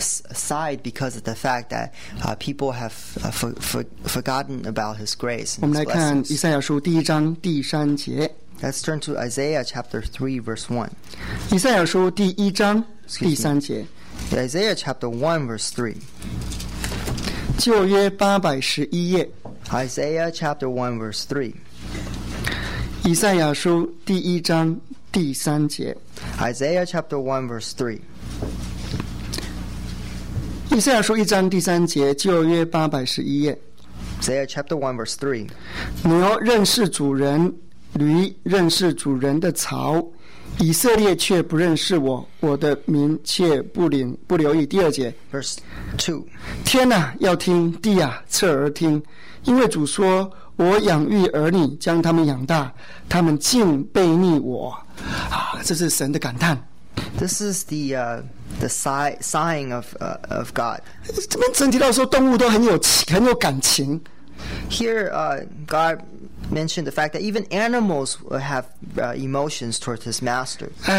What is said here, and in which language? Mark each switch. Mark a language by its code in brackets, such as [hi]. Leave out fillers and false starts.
[en] Aside because of the fact that people have forgotten about His grace. And His blessings. [zh] 我们来看以赛亚书第一章第三节。 [en] Let's turn to Isaiah chapter 3, verse 1. [zh] 以赛亚书第一章第三节。 [en] Isaiah chapter 1, verse 3. [zh] 旧约811页。 [en] Isaiah chapter 1, verse 3. [zh] 以赛亚书第一章第三节。 [en] Isaiah chapter 1, verse 3. [zh] 以赛亚书一章第三节，旧约811页。 [en] Isaiah chapter 1 verse 3. [zh] 你要认识主人，驴认识主人的槽。以色列却不认识我，我的民却不留意。第二节 [en] ，Verse 2， [zh] 天哪、啊，要听地啊，侧耳听，因为主说，我养育儿女，将他们养大，他们竟背逆我，啊，这是神的感叹。 [en] This is the sighing of God。 [zh] 这边整体到说，动物都很有感情。 [en] Here, God mentioned the fact that even animals have emotions toward his master.